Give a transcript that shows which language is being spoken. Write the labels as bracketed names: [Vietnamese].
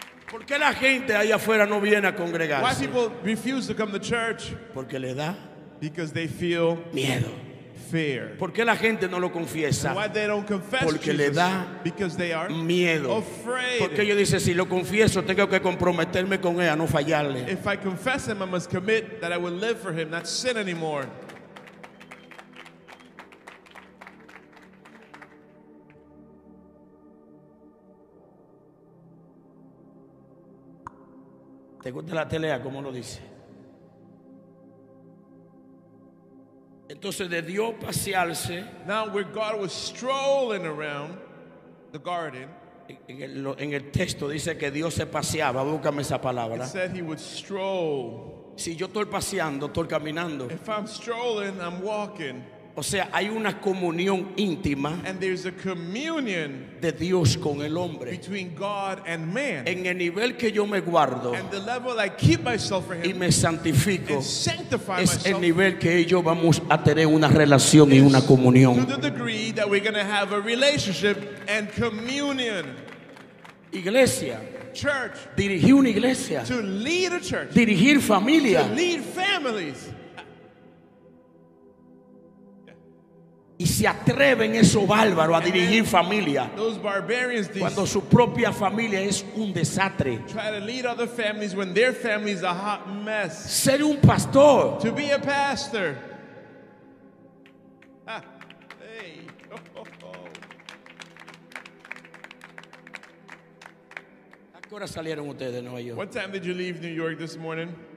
[Spanish] ¿Por qué la gente allá afuera no viene a congregarse? [English] Why people refuse to come to church? [Spanish] Porque le da. [English] Because they feel [Spanish] miedo. [English] Fear. [Spanish] ¿Por qué la gente no lo confiesa? [English] And why they don't confess [Spanish] Porque [English] Jesus? [Spanish] Le da [English] Because they are [Spanish] miedo. [English] Afraid. [Spanish] Porque ellos dicen, si lo confieso, tengo que comprometerme con él, no fallarle. [English] If I confess him, I must commit that I will live for him, not sin anymore. [Spanish] ¿Te gusta la telea? ¿Cómo lo dice? Entonces, de Dios pasearse. [English] Now, where God was strolling around the garden. [Spanish] En el texto dice que Dios se paseaba. Búscame esa palabra. [English] It said he would stroll. [Spanish] Si yo estoy paseando, estoy caminando. [English] If I'm strolling, I'm walking. [Spanish] O sea, hay una comunión íntima. [English] And there's a communion. [Spanish] De Dios con el hombre. [English] Between God and man. [Spanish] En el nivel que yo me guardo. [English] And the level I keep myself for him. [Spanish] Y me santifico. [English] And sanctify [Spanish] es [English] myself. [Spanish] Es el nivel que ellos vamos a tener una relación y una comunión. [English] To the degree that we're going to have a relationship and communion. [Spanish] Iglesia. [English] Church. [Spanish] Dirigir una iglesia. [English] To lead a church. [Spanish] Dirigir familia. [English] To lead families. [Spanish] Y se atreven esos bárbaros a dirigir familia cuando su propia familia es un desastre. [English] Try to lead other families when their family is a hot mess. [Spanish] Ser un pastor. [English] To be a pastor. [Spanish] ¿A qué hora salieron ustedes de Nueva York? [English] What time did you leave New York this morning?